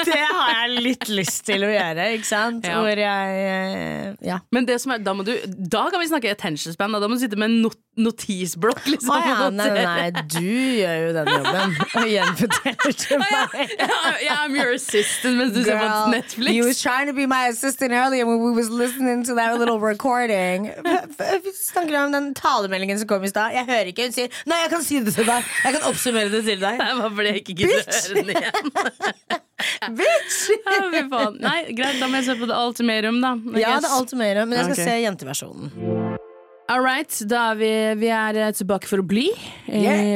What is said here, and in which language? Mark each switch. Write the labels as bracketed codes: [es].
[no] Det har jeg litt lyst til å gjøre, ikke sant? Ja. Hvor jeg, ja. Men det som er, da må du, da kan vi snakke attention span, da må du sitte med en notisblokk, liksom. Å ja, nei, du gjør jo den jobben, og gjenforteller til meg. [en] Ja, I'm your assistant, [no] mens du [en] Girl, [no] ser på Netflix. [en] You was trying to be my assistant earlier when we was listening to that little recording. [no] Snakker om den talemeldingen som kom i sted. Jeg hører ikke, hun sier nei, jeg kan si det til deg, jeg kan oppsummere det til deg. Nei, bare fordi jeg ikke gidder å høre den igjen. [en] Bitch. [no] Ja, nei, greit, da må jeg se på The Ultimatum da, ja, The Ultimatum, men jeg skal okay. se jenteversjonen. Alright, da er vi er tilbake for å bli yeah.